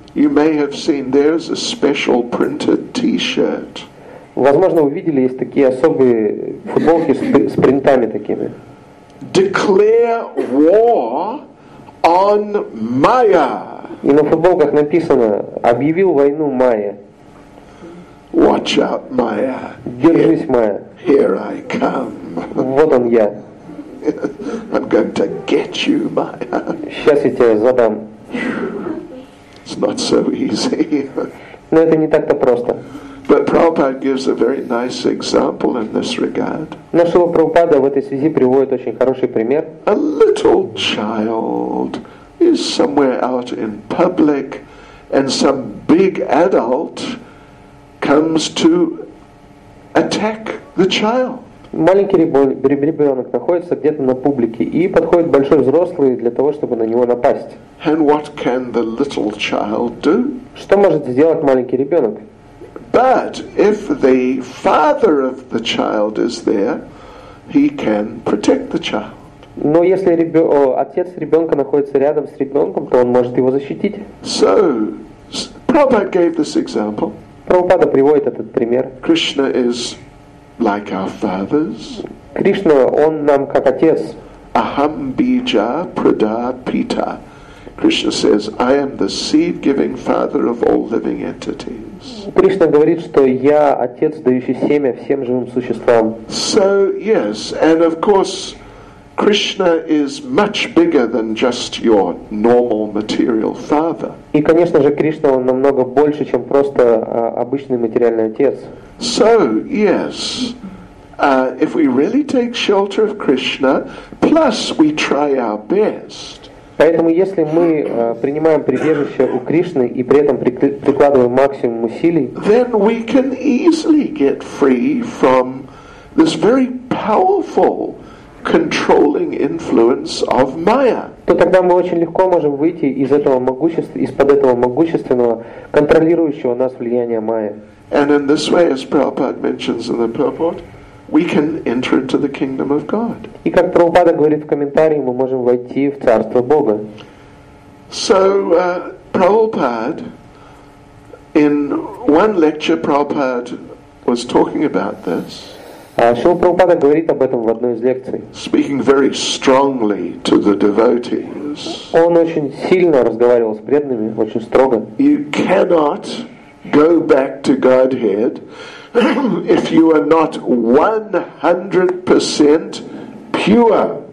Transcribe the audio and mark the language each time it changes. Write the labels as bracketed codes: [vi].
[en] You may have seen there's a special printed T-shirt. [ru] Возможно, вы видели, есть такие особые футболки с принтами такими. [en] Declare war on Maya. [ru] И на футболках написано: объявил войну Maya. [en] Watch out, Maya. [ru] Держись, Maya. [en] Here I come. [ru] Вот он я. [en] I'm going to get you, Maya. [ru] Сейчас я тебя задам. [en] It's not so easy. [ru] Но это не так-то просто. [en] But Prabhupada gives a very nice example in this regard. [ru] Но Шрила Прабхупада в этой связи приводит очень хороший пример. [en] A little child is somewhere out in public, and some big adult comes to attack the child. [ru] Маленький ребенок находится где-то на публике, и подходит большой взрослый для того, чтобы на него напасть. [en] And what can the little child do? [ru] Что может сделать маленький ребенок? [en] But if the father of the child is there, he can protect the child. [ru] Но если отец ребенка находится рядом с ребенком, то он может его защитить. [en] So, Prabhupada gave this example. [ru] Прабхупада приводит этот пример. [en] Krishna is like our fathers. [ru] Кришна, он нам как отец. [sa] Aham bija prada pita. [en] Krishna says, I am the seed-giving father of all living entities. [ru] Кришна говорит, что я отец, дающий семя всем живым существам. [en] So, yes, and of course, Krishna is much bigger than just your normal material father. [ru] И, конечно же, Кришна, он намного больше, чем просто обычный материальный отец. [en] So, yes, if we really take shelter of Krishna, plus we try our best. [ru] Поэтому, если мы принимаем прибежище у Кришны и при этом прикладываем максимум усилий, [en] then we can easily get free from this very powerful controlling influence of Maya. [ru] То тогда мы очень легко можем выйти из этого могущества, из-под этого могущественного контролирующего нас влияния Maya. [en] And in this way, as Prabhupada mentions in the purport, we can enter into the kingdom of God. [ru] И как Прабхупада говорит в комментарии, мы можем войти в царство Бога. [en] So, Prabhupada, in one lecture, Prabhupada was talking about this. [ru] Шрила Прабхупада говорит об этом в одной из лекций. [en] Speaking very strongly to the devotees. [ru] Он очень сильно разговаривал с преданными, очень строго. [en] You cannot go back to Godhead if you are not 100% pure.